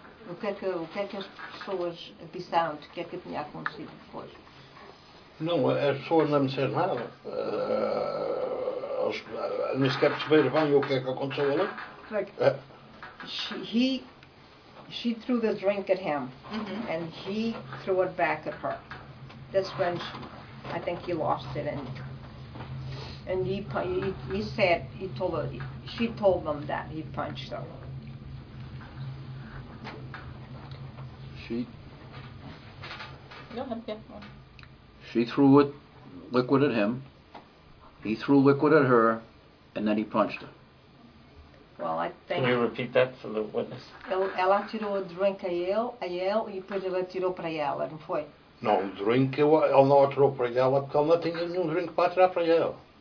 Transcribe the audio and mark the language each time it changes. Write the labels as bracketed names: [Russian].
[Portuguese] O que é que as pessoas disseram? O que é que tinha acontecido depois? Não, as pessoas não me disseram nada. Eles nem sequer perceberam bem o que é que aconteceu ali. [English] She threw the drink at him. Mm-hmm. And he threw it back at her. That's when I think he lost it and... And she told them that he punched her. She threw liquid at him, he threw liquid at her, and then he punched her. Well, I think... Can you repeat that for the witness? [Portuguese] Ela tirou o drink a ele, e depois ela tirou para ela, não foi? Não, o drink ele não atirou para ela, porque ela não tinha nenhum drink para atirar para ele.